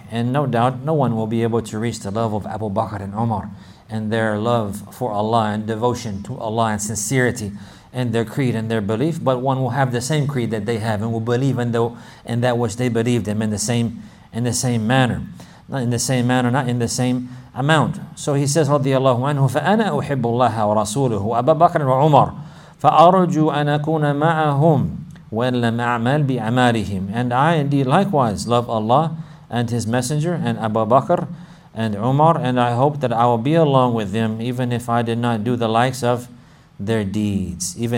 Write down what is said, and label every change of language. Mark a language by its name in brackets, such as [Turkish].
[English] And no doubt, no one will be able to reach the level of Abu Bakr and Umar, and their love for Allah and devotion to Allah and sincerity and their creed and their belief. But one will have the same creed that they have and will believe in that which they believed in the same manner, not in the same amount. So he says, [Arabic] radiyallahu anhu, فَأَنَا أُحِبُّ اللَّهَ وَرَسُولُهُ وَأَبَا بَكْرٍ وَعُمَرٍ فَأَرُجُّ أَنْ أَكُونَ مَعَهُمْ وَلَمْ أَعْمَلْ بِعَمَالِهِمْ. [English] And I indeed likewise love Allah and His Messenger and Abu Bakr and Umar, and I hope that I will be along with them even if I did not do the likes of their deeds.